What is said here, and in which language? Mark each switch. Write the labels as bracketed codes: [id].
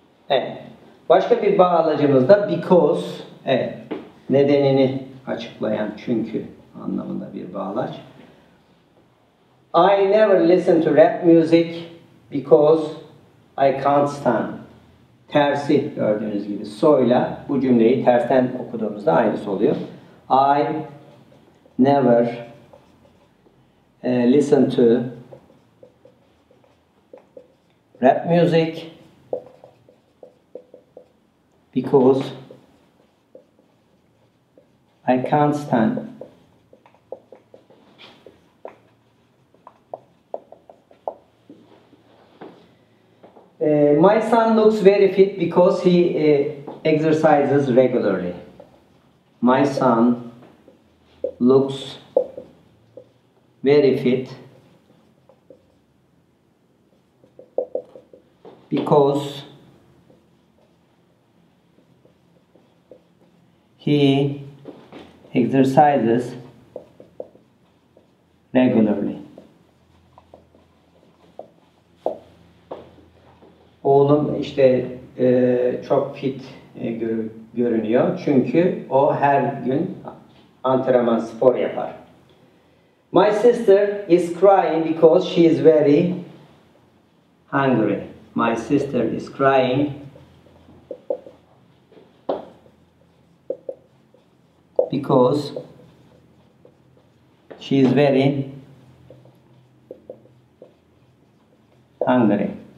[tr] Evet. Başka bir bağlacımız da because. Evet. Nedenini açıklayan çünkü anlamında bir bağlaç. [en] I never listen to rap music because I can't stand. [tr] Tersi gördüğünüz gibi soyla bu cümleyi tersten okuduğumuzda aynısı oluyor. [en] I never listen to rap music because I can't stand. My son looks very fit because he exercises regularly. My son looks very fit because he exercises regularly. [tr] Oğlum işte çok fit görünüyor çünkü o her gün antrenman, spor yapar. [en] My sister is crying because she is very hungry. My sister is crying because she is very hungry.